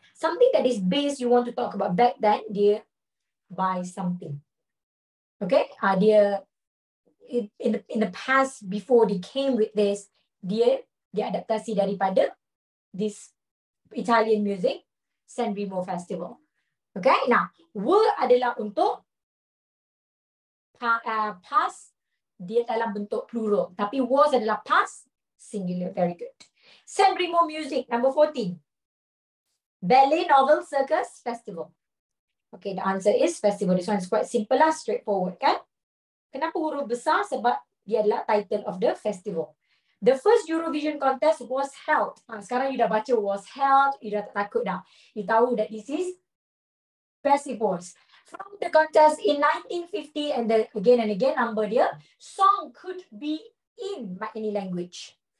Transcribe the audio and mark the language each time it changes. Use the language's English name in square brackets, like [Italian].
[English] Something that is based, you want to talk about back then, [Malay] dia [English] by something. Okay? Dia, in the past, before they came with this, [Malay] dia diadaptasi daripada [English] this Italian music, San Remo Festival. Okay? [Malay] Nah, were adalah untuk past, dia dalam bentuk plural. Tapi was adalah past, singular. [English] Very good. San Remo music, number 14. Ballet, novel, circus, festival. Okay, the answer is festival. This one is quite simple lah, straightforward kan? [Malay] Kenapa huruf besar? Sebab dia adalah [English] title of the festival. The first Eurovision contest was held. [Malay] Sekarang [English] you [Malay] dah baca [English] was held, you [Malay] dah tak takut dah. [English] You [Malay] tahu [English] that this is festivals. From the contest in 1950 and the, again and again number dia, song could be in any language.